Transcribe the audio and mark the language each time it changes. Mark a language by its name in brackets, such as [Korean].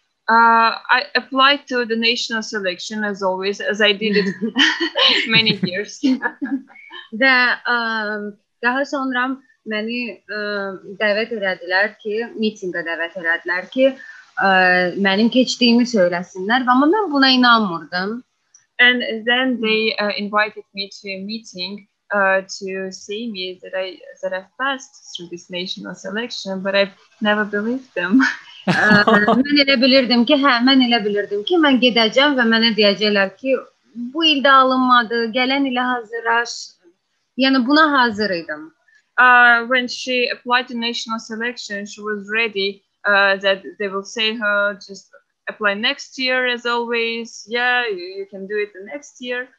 [English] I applied to the national selection as always, as I did it many years. [Azerbaijani] Və daha sonra məni dəvət elədilər ki, mitingə dəvət elədilər ki, mənim keçdiyimi söyləsinlər. Amma mən buna inanmırdım. [English] And then they invited me to a meeting to see me that I passed through this national selection, but I've never believed them. [Azerbaijani] Mən elə bilirdim ki, mən elə bilirdim ki, mən gedəcəm və mənə deyəcəklər ki, bu ildə alınmadı, gələn ilə hazırlaş. Yəni buna hazır idim. [English] When she applied to national selection, she was ready that they will say her just apply next year as always. Yeah, you can do it the next year.